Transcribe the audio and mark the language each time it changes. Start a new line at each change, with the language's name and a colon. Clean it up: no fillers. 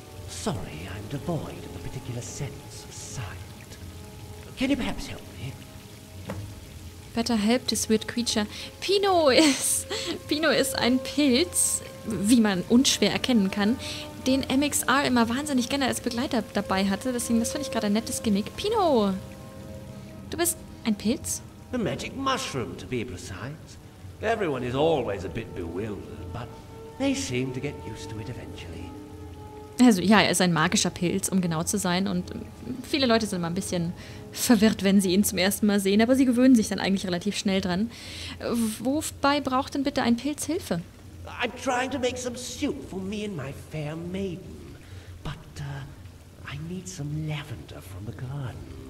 English: Sorry, I'm devoid of a particular sense of sight. Can you perhaps help? Better help this weird creature.
German: Pino ist ein Pilz, wie man unschwer erkennen kann, den MXR immer wahnsinnig gerne als Begleiter dabei hatte. Deswegen, das finde ich gerade ein nettes Gimmick. Pino! Du bist ein Pilz?
English: A magic mushroom, to be precise. Everyone is always a bit bewildered, but they seem to get used to it eventually.
German: Also ja, er ist ein magischer Pilz, um genau zu sein. Und viele Leute sind immer ein bisschen verwirrt, wenn sie ihn zum ersten Mal sehen. Aber sie gewöhnen sich dann eigentlich relativ schnell dran. Wobei braucht denn bitte ein Pilz Hilfe?
English: I'm trying to make some soup for me and my fair maiden. But I need some lavender from the garden.